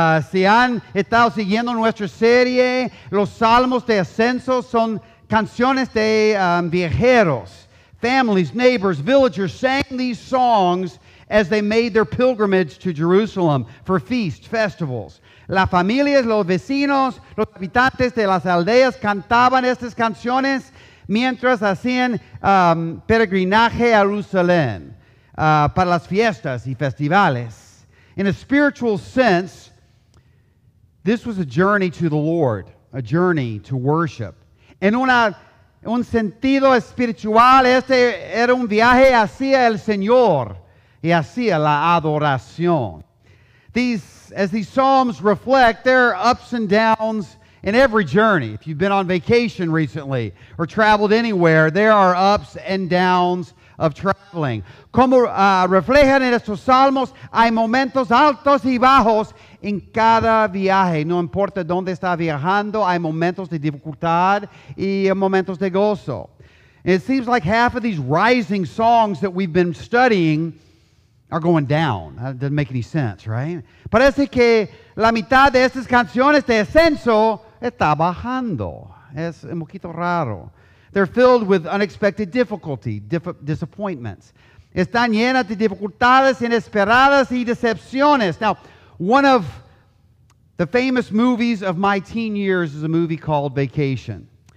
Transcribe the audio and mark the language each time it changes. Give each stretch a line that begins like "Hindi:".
Spanish: Si han estado siguiendo nuestra serie, los Salmos de Ascenso son canciones de viajeros.
English: Families, neighbors, villagers sang these songs as they made their pilgrimage to Jerusalem for feasts, festivals.
Spanish: Las familias, los vecinos, los habitantes de las aldeas cantaban estas canciones mientras hacían peregrinaje a Jerusalén para las fiestas y festivales.
English: In a spiritual sense, this was a journey to the Lord, a journey to worship.
Spanish: En un sentido espiritual, este era un viaje hacia el Señor y hacia la adoración.
English: As these psalms reflect, there are ups and downs in every journey. If you've been on vacation recently or traveled anywhere, there are ups and downs of traveling.
Spanish: Como reflejan en estos salmos, hay momentos altos y bajos en cada viaje. No importa dónde está viajando, hay momentos de dificultad y momentos de gozo.
English: And it seems like half of these rising songs that we've been studying are going down. That doesn't make any sense, right?
Spanish: Parece que la mitad de estas canciones de ascenso está bajando. Es un poquito raro.
English: They're filled with unexpected difficulty, disappointments.
Spanish: Están llenas de dificultades inesperadas y decepciones.
English: Now, one of the famous movies of my teen years is a movie called Vacation.